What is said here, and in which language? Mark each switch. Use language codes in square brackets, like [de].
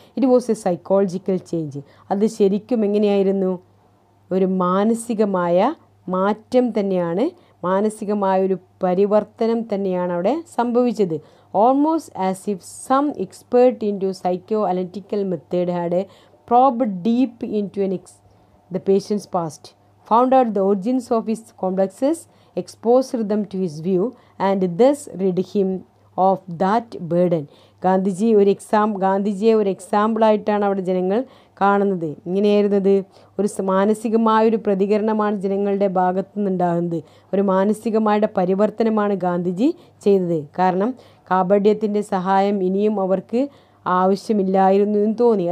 [en] it was a psychological change, [ml] അത് ശരിക്കും എങ്ങനെയായിരുന്നു, ഒരു മാനസികമായ മാറ്റം തന്നെയാണ്, മാനസികമായൊരു പരിവർത്തനം തന്നെയാണ് അവിടെ സംഭവിച്ചത്. [en] Almost as if some expert in to psychoanalytical method had probed deep into the patient's past, found out the origins of his complexes, exposed them to his view, and thus rid him of that burden. [ml] ഗാന്ധിജിയെ ഒരു എക്സാമ്പിളായിട്ടാണ് അവിടെ ജനങ്ങൾ കാണുന്നത്. ഇങ്ങനെയായിരുന്നത് ഒരു മാനസികമായ ഒരു പ്രതികരണമാണ് ജനങ്ങളുടെ ഭാഗത്തു നിന്നുണ്ടാകുന്നത്. ഒരു മാനസികമായ പരിവർത്തനമാണ് ഗാന്ധിജി ചെയ്തത്. കാരണം കാപഡ്യത്തിൻ്റെ സഹായം ഇനിയും അവർക്ക് ആവശ്യമില്ലായിരുന്നു എന്ന് തോന്നി.